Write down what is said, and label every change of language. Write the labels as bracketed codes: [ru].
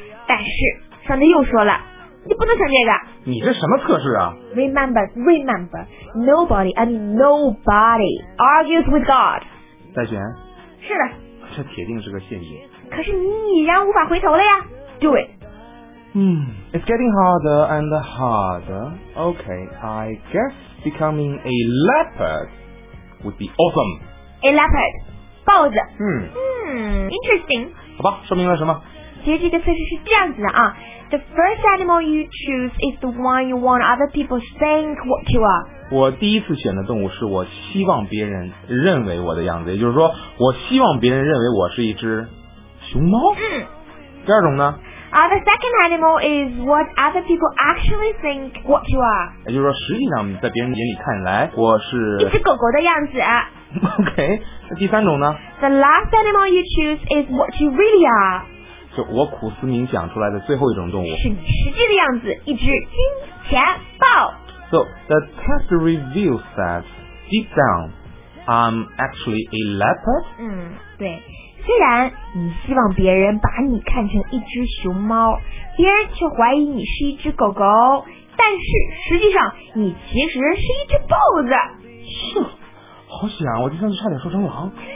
[zh] 但是上帝又说了，你不能选这个。你这什么测试啊？ [en] Remember, nobody argues with God. [zh] 再选。是的。这铁定是个陷阱。可是你已然无法回头了呀。 [en] Do it. It's getting harder and harder. Okay, I guess becoming a leopard would be awesome. A leopard. [zh] 豹子。 [en] Interesting. [zh] 好吧，说明了什么？其实这个测试是这样子的啊。 [en] The first animal you choose is the one you want other people think what you are. [zh] 我第一次选的动物是我希望别人认为我的样子，也就是说，我希望别人认为我是一只熊猫。第二种呢？ [en] The second animal is what other people actually think what you are. [zh] 也就是说，实际上在别人眼里看来，我是一只狗狗的样子。 OK, 那第三种呢？ [en] The last animal you choose is what you really are. [zh] 就我苦思冥想出来的最后一种动物。是你实际的样子，一只金钱豹。 [en] So, the test reveals that deep down, I'm actually a leopard. [zh] 对。虽然你希望别人把你看成一只熊猫，别人却怀疑你是一只狗狗，但是实际上你其实是一只豹子。好险，我第三次差点说成狼。